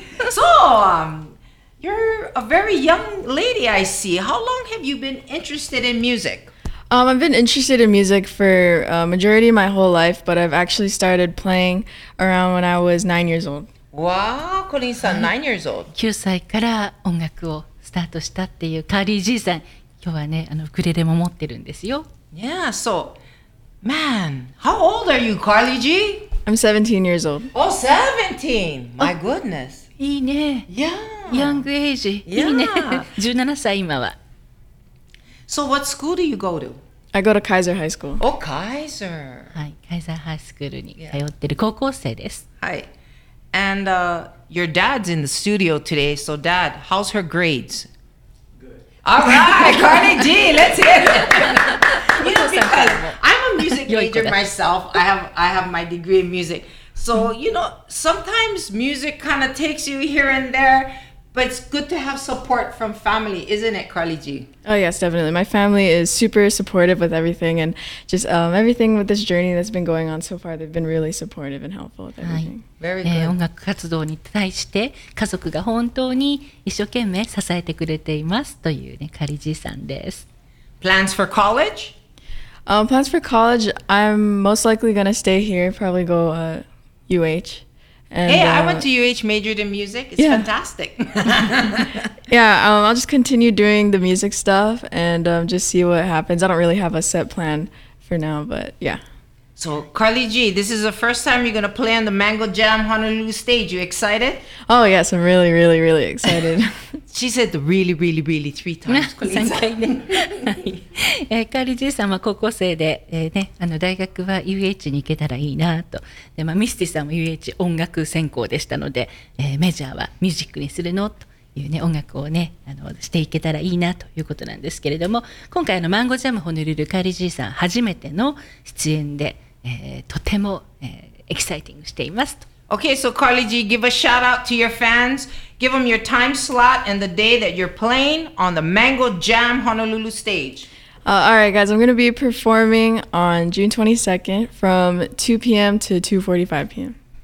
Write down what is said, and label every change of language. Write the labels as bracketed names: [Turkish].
[English] So, you're a very young lady, I see. How long have you been interested in music? I've been interested in music for a majority of my whole life, but I've actually started playing around when I was 9 years old. Wow, Colleen-san, 9 years old. [Japanese] 9歳から音楽をスタートしたっていうカーリー G さん、今日はね、ウクレレも持ってるんですよ。 [English] Yeah, so, man, how old are you, Carly G? I'm 17 years old. Oh, 17! My goodness. [Japanese] いいね。 [English] Yeah. Young age. Yeah. [Japanese] いいね。17歳今は。 [English] So what school do you go to? I go to Kaiser High School. Oh, Kaiser. [Japanese] はい、Kaiser High School に通ってる高校生です。はい。 [English] And your dad's in the studio today. So dad, how's her grades? Good. All right, Cardi G, let's hear it. You know, because I'm a music major myself. I have my degree in music. So, you know, sometimes music kind of takes you here and there. But it's good to have support from family, isn't it, Carly G? Oh yes, definitely. My family is super supportive with everything and just everything with this journey that's been going on so far. They've been really supportive and helpful with everything.、はい、 Very good.、 [Japanese] 音楽活動に対して家族が本当に一生懸命支えてくれていますというね、Carly Gさんです。 [English] Plans for college?、 Plans for college, I'm most likely going to stay here, probably go UH. And, hey, I went to UH, majored in music. It's fantastic. Yeah, I'll just continue doing the music stuff and just see what happens. I don't really have a set plan for now, but yeah. So, Carly G, this is the first time you're going to play on the Mango Jam Honolulu stage. You excited? Oh, yes. I'm really, really, really excited. She said the really, really, really 3 times. [Japanese] 3回ね。はい。 Carly Gさんは高校生で、ね、大学は UH に行けたらいいなと。で、ミスティさんも UH 音楽専攻でしたので、メジャーはミュージックにするのというね、音楽をね、していけたらいいなということなんですけれども、今回マンゴージャムホノルル、Carly Gさん初めての出演で、とても、エキサイティングしていますと。 [English] Okay, so Carly G, give a shout out to your fans. Give them your time slot and the day that you're playing on the Mango Jam Honolulu stage. All right, guys, I'm going to be performing on June 22nd from 2 p.m. to 2:45 p.m.